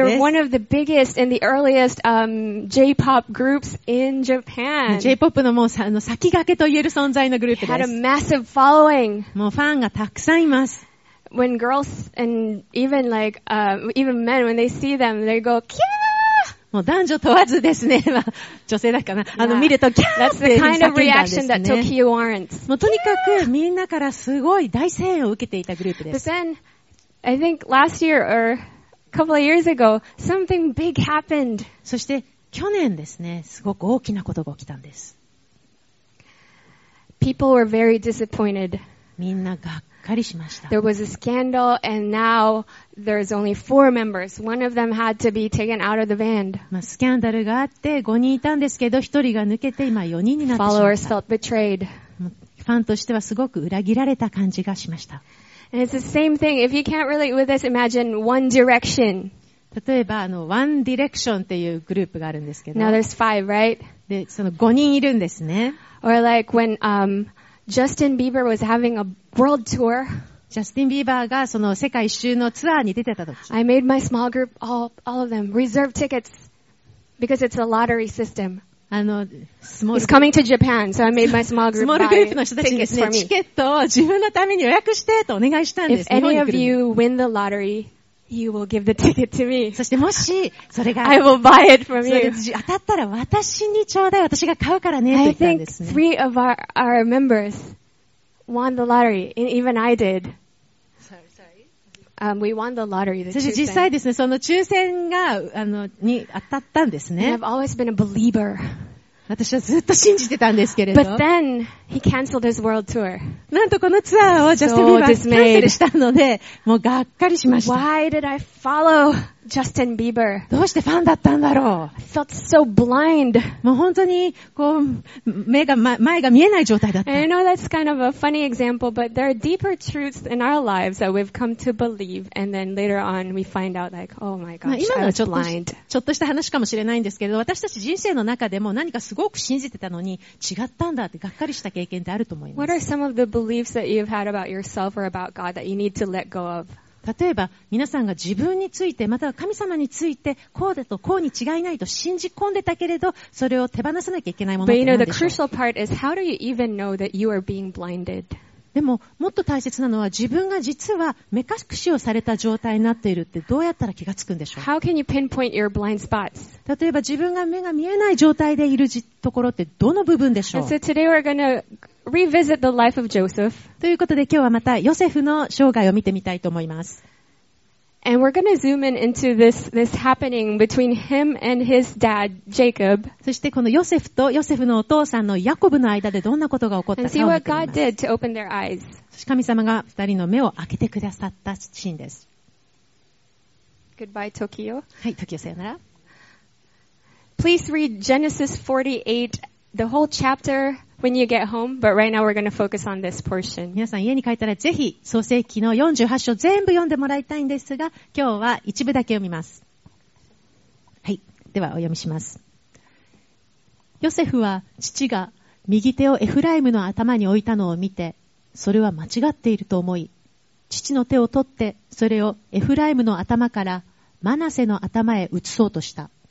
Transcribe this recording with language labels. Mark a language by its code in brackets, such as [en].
[en] They're one of the biggest and the earliest J-pop groups in Japan. [ja] J-pop のもう先駆けと言える存在のグループです。 [en] Had a massive following. [ja] もうファンがたくさんいます。 [en] When girls and even like, even men, when they see them, they go, キャー [ja] もう男女問わずですね。女性だかな。Yeah. 見るとキャーって叫んだんですね。 [en] That's the kind of reaction that Tokyo warrants. [ja] もうとにかくみんなからすごい大声援を受けていたグループです。 [en] But then, I think last year or couple of years ago, something big happened. [ja] そして去年ですね、すごく大きなことが起きたんです。 [en] People were very disappointed. [ja] みんながっかりしました。 [en] There was a scandal, and now there's only four members. One of them had to be taken out of the band. [ja] まあ、スキャンダルがあって5人いたんですけど、1人が抜けて今4人になってしまった。 [en] Followers felt betrayed. [ja] ファンとしてはすごく裏切られた感じがしました。 [en] And it's the same thing. If you can't relate with this, imagine One Direction. [ja] 例えば、One Directionっていうグループがあるんですけど。 [en] Now there's five, right? [ja] で、その5人いるんですね。 [en] Or like when, Justin Bieber was having a world tour. [ja] ジャスティン・ビーバーがその世界一周のツアーに出てた時。 [en] I made my small group, all of them, reserve tickets. Because it's a lottery system. He's coming to Japan, so I made my small group buy tickets for me. [ja] スモールグループの人たちにチケットを自分のために予約してとお願いしたんです。 [en] If any of you win the lottery, you will give the ticket to me. [ja] そしてもし、それが、 [en] I will buy it from you. [ja] 当たったら私にちょうだい、私が買うからねって言ったんですね。 [en] I think three of our members won the lottery, and even I did. We won the lottery, the [ja] そして実際ですね、その抽選が、に当たったんですね。 [en] I've always been a believer. [ja] 私はずっと信じてたんですけれど。 [en] But then, he canceled his world tour. [ja] なんとこのツアーをジャスティン・ビーバーがキャンセルしたので、もうがっかりしました。 [en] Why did I follow Justin Bieber? [ja] どうしてファンだったんだろう。 [en] I felt so blind. [ja] もう本当に、こう、目が、前が見えない状態だった。 [en] And I know that's kind of a funny example, but there are deeper truths in our lives that we've come to believe, and then later on we find out like, oh my gosh, I was blind. [ja] ちょっとした話かもしれないんですけど、私たち人生の中でも何かすごく信じてたのに違ったんだってがっかりした経験ってあると思います。 [en] What are some of the beliefs that you've had about yourself or about God that you need to let go of? [ja] 例えば皆さんが自分についてまたは神様についてこうだとこうに違いないと信じ込んでたけれどそれを手放さなきゃいけないものって何でしょう。 [en] But you know, the crucial part is how do you even know that you are being blinded? [ja] でももっと大切なのは自分が実は目隠しをされた状態になっているってどうやったら気がつくんでしょう。 [en] How can you pinpoint your blind spots? [ja] 例えば自分が目が見えない状態でいるところってどの部分でしょう。 [en] So today we're gonna revisit the life of Joseph. [ja] ということで今日はまたヨセフの生涯を見てみたいと思います。 [en] And we're gonna zoom in into this happening between him and his dad, Jacob. [ja] そしてこのヨセフとヨセフのお父さんのヤコブの間でどんなことが起こったかを見てみます。 [en] And see what God did to open their eyes. [ja] 神様が二人の目を開けてくださったシーンです。 [en] Goodbye, Tokyo. [ja] はい、Tokyo さよなら。 [en] Please read Genesis 48, the whole chapter. When you get home, but right now we're going to focus on this portion. [ja] 皆さん家に帰ったらぜひ創世記の48章全部読んでもらいたいんですが、今日は一部だけ読みます。はい、ではお読みします。ヨセフは父が右手をエフライムの頭に置いたのを見て、それは間違っていると思い、父の手を取ってそれをエフライムの頭からマナセの頭へ移そうとした。